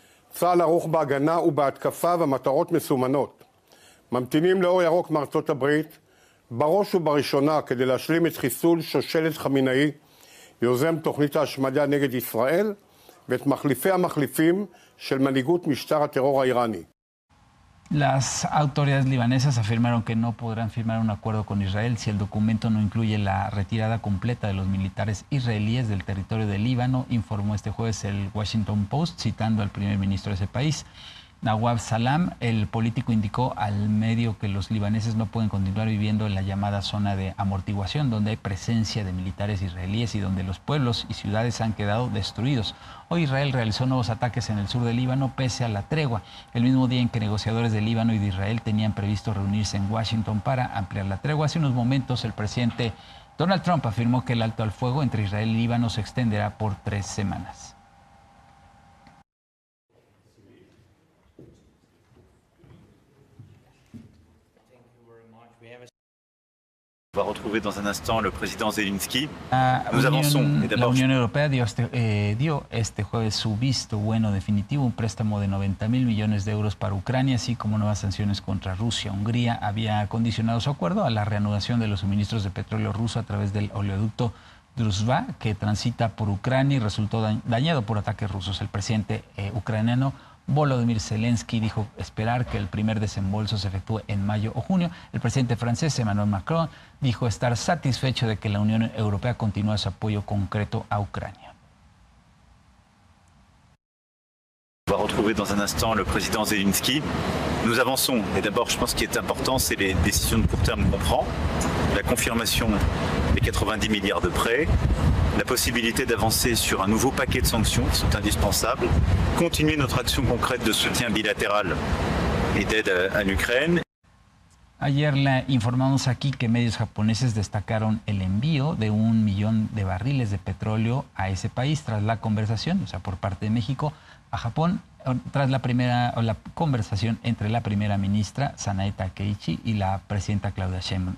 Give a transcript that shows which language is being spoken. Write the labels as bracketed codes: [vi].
[he] צהל ערוך בהגנה ובהתקפה ומטרות מסומנות. ממתינים לאור ירוק מארצות הברית, בראש ובראשונה כדי להשלים את חיסול שושלת חמינאי, יוזם תוכנית ההשמדה נגד ישראל, ואת מחליפי המחליפים של מנהיגות משטר הטרור האיראני. [es] Las autoridades libanesas afirmaron que no podrán firmar un acuerdo con Israel si el documento no incluye la retirada completa de los militares israelíes del territorio del Líbano, informó este jueves el Washington Post, citando al primer ministro de ese país. Nawab Salam, el político, indicó al medio que los libaneses no pueden continuar viviendo en la llamada zona de amortiguación, donde hay presencia de militares israelíes y donde los pueblos y ciudades han quedado destruidos. Hoy Israel realizó nuevos ataques en el sur del Líbano pese a la tregua, el mismo día en que negociadores de Líbano y de Israel tenían previsto reunirse en Washington para ampliar la tregua. Hace unos momentos el presidente Donald Trump afirmó que el alto al fuego entre Israel y Líbano se extenderá por 3 semanas. [fr] On va retrouver dans un instant le président Zelensky. Nous avançons. [es] La Unión Europea dio este jueves su visto bueno definitivo, un préstamo de 90 mil millones de euros para Ucrania, así como nuevas sanciones contra Rusia. Hungría había condicionado su acuerdo a la reanudación de los suministros de petróleo ruso a través del oleoducto Druzhba, que transita por Ucrania y resultó dañado por ataques rusos. El presidente ucraniano Volodymyr Zelensky dijo esperar que el primer desembolso se efectúe en mayo o junio. El presidente francés Emmanuel Macron dijo estar satisfecho de que la Unión Europea continúe su apoyo concreto a Ucrania. [fr] On va retrouver dans un instant le président Zelensky. Nous avançons. Et d'abord, je pense qu'il est important, c'est les décisions de court terme qu'on prend, la confirmation des 90 milliards de prêts, la possibilité d'avancer sur un nouveau paquet de sanctions qui sont indispensables, continuer notre action concrète de soutien bilatéral et d'aide à l'Ukraine. [es] Ayer le informamos aquí que medios japoneses destacaron el envío de 1 millón de barriles de petróleo a ese país tras la conversación, o sea, por parte de México a Japón, tras la conversación entre la primera ministra Sanae Takeuchi y la presidenta Claudia Sheinbaum.